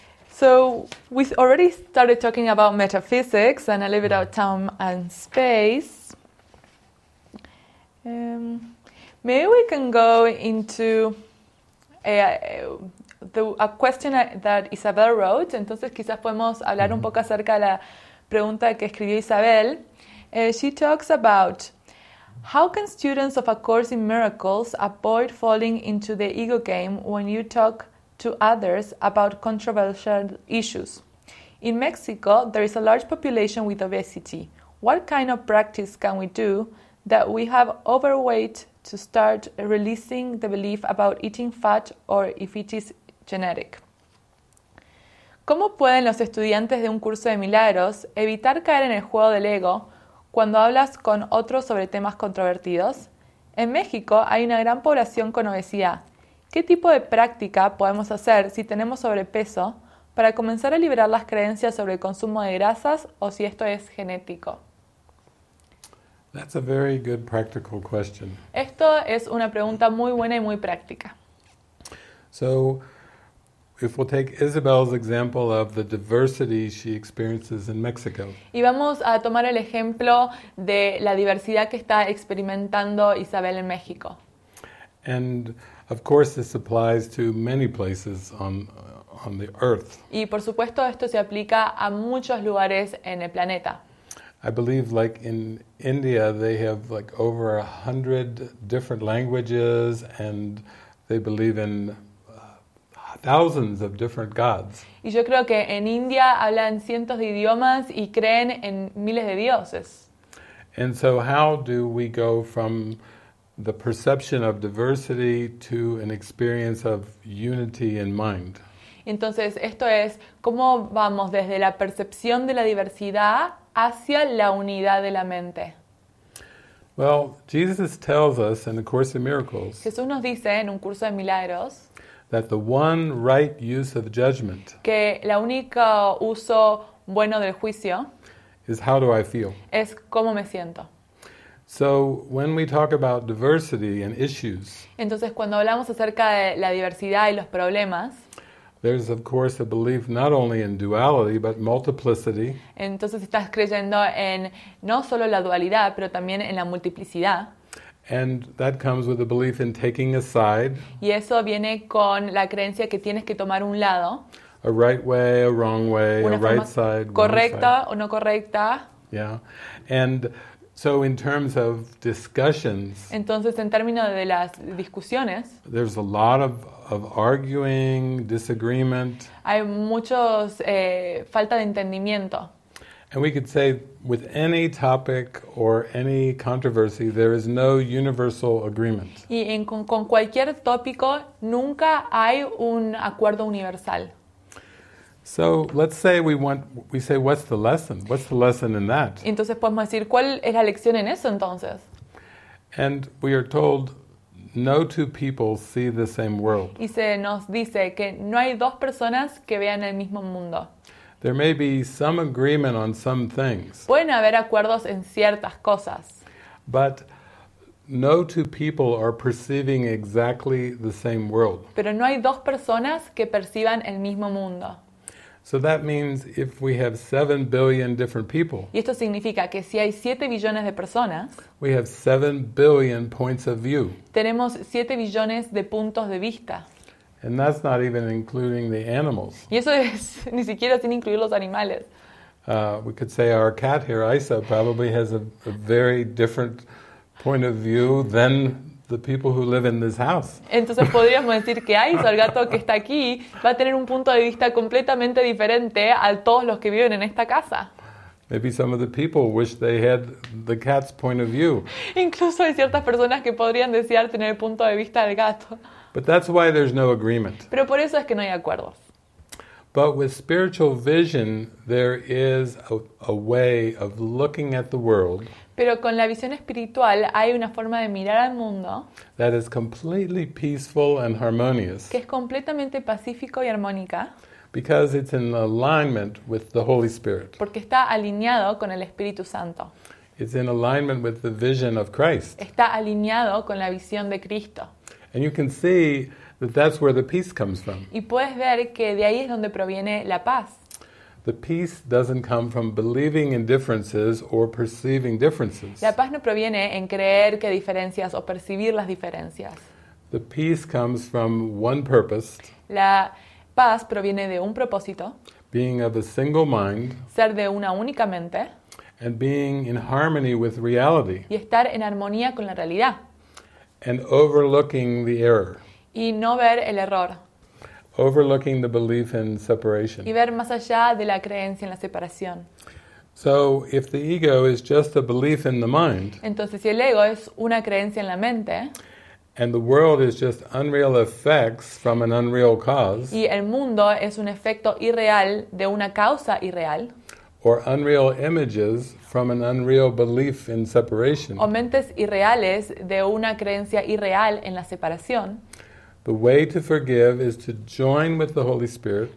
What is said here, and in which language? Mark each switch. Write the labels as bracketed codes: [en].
[en] So we've already started talking about metaphysics and a little bit of time and space. Maybe we can go into a question that Isabel wrote. [es] Entonces quizás podemos hablar un poco acerca de la pregunta que escribió Isabel. [en] She talks about how can students of A Course in Miracles avoid falling into the ego game when you talk to others about controversial issues. In Mexico, there is a large population with obesity. What kind of practice can we do that we have overweight to start releasing the belief about eating fat or if it is genetic? [es] ¿Cómo pueden los estudiantes de un curso de milagros evitar caer en el juego del ego cuando hablas con otros sobre temas controvertidos? En México hay una gran población con obesidad. ¿Qué tipo de práctica podemos hacer si tenemos sobrepeso para comenzar a liberar las creencias sobre el consumo de grasas o si esto es genético? [en] That's a very good practical question. [es] Esto es una pregunta muy buena y muy práctica. [en] So, if we'll take Isabel's example of the diversity she experiences in Mexico. [es] Y vamos a tomar el ejemplo de la diversidad que está experimentando Isabel en México. [en] And of course this applies to many places on the earth. [es] Y por supuesto esto se aplica a muchos lugares en el planeta. [en] I believe like in India they have like over 100 different languages and they believe in thousands of different gods. [es] Y yo creo que en India hablan cientos de idiomas y creen en miles de dioses. [en] And so how do we go from the perception of diversity to an experience of unity in mind? [es] Entonces, esto es cómo vamos desde la percepción de la diversidad hacia la unidad de la mente. [en] Well, Jesus tells us in A Course in Miracles. [es] Jesús nos dice en un curso de milagros [en] that the one right use of judgment. [es] Que la única uso bueno del juicio [en] is how do I feel? [es] Es cómo me siento. [en] So when we talk about diversity and issues, [es] entonces cuando hablamos acerca de la diversidad y los problemas, [en] there's of course a belief not only in duality but multiplicity. [es] Entonces estás creyendo en no solo la dualidad, pero también en la multiplicidad. [en] And that comes with a belief in taking a side. [es] Y eso viene con la creencia que tienes que tomar un lado. [en] A right way, a wrong way, [es] una [en] a right side, [es] correcta [en] wrong side. [es] O no correcta. [en] Yeah, and so in terms of discussions, [es] entonces en términos de las discusiones, [en] there's a lot of arguing, disagreement. [es] Hay muchos falta de entendimiento. [en] And we could say with any topic or any controversy, there is no universal agreement. [es] Y con cualquier tópico nunca hay un acuerdo universal. [en] So let's say we say, what's the lesson? What's the lesson in that? [es] Entonces podemos decir, ¿cuál es la lección en eso entonces? [en] And we are told, no two people see the same world. [es] Y se nos dice que no hay dos personas que vean el mismo mundo. [en] There may be some agreement on some things. [es] Pueden haber acuerdos en ciertas cosas. [en] But no two people are perceiving exactly the same world. [es] Pero no hay dos personas que perciban el mismo mundo. [en] So that means if we have 7 billion different people. [es] Y esto significa que si hay 7 billones de personas, [en] we have 7 billion points of view. [es] Tenemos 7 billones de puntos de vista. [en] And that's not even including the animals. [es] Y eso es ni siquiera sin incluir los animales. [en] We could say our cat here, Isa, probably has a very different point of view than the people who live in this house. [es] Entonces podríamos decir que Aiso, el gato que está aquí, va a tener un punto de vista completamente diferente a todos los que viven en esta casa. [en] Maybe some of the people wish they had the cat's point of view. [es] Incluso hay ciertas personas que podrían desear tener el punto de vista del gato. [en] But that's why there's no agreement. [es] Pero por eso es que no hay acuerdos. [en] But with spiritual vision, there is a way of looking at the world. [es] Pero con la visión espiritual hay una forma de mirar al mundo. [en] That is completely peaceful and harmonious. [es] Que es completamente pacífico y armónica. [en] Because it's in alignment with the Holy Spirit. [es] Porque está alineado con el Espíritu Santo. [en] It's in alignment with the vision of Christ. [es] Está alineado con la visión de Cristo. [en] And you can see that that's where the peace comes from. [es] Y puedes ver que de ahí es donde proviene la paz. [en] The peace doesn't come from believing in differences or perceiving differences. [es] La paz no proviene en creer que diferencias o percibir las diferencias. [en] The peace comes from one purpose. [es] La paz proviene de un propósito. [en] Being of a single mind. [es] Ser de una única mente. [en] And being in harmony with reality. [es] Y estar en armonía con la realidad. [en] And overlooking the error. [es] Y no ver el error. [en] Overlooking the belief in separation. [es] Y ver más allá de la creencia en la separación. [en] So if the ego is just a belief in the mind. [es] Entonces si el ego es una creencia en la mente. [en] And the world is just unreal effects from an unreal cause. [es] Y el mundo es un efecto irreal de una causa irreal. [en] Or unreal images from an unreal belief in separation. [es] O mentes irreales de una creencia irreal en la separación. [en] The way to forgive is to join with the Holy Spirit.